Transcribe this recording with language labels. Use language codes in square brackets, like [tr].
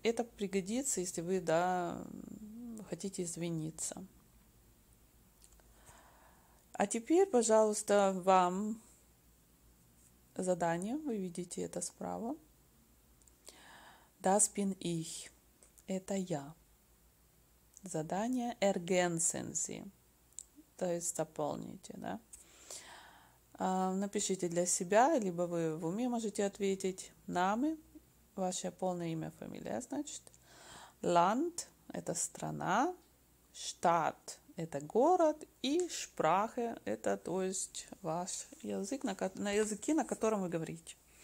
[ru] Это пригодится, если вы, да, хотите извиниться. А теперь, пожалуйста, вам задание, вы видите это справа. [de] Das bin ich. [ru] Это я. Задание [de] ergänzen Sie. [ru] То есть дополните, да? Напишите для себя, либо вы в уме можете ответить. Name, ваше полное имя, фамилия, значит. Land, это страна. Stadt, это город, и Sprache, это, то есть, ваш язык, на языке, на котором вы говорите.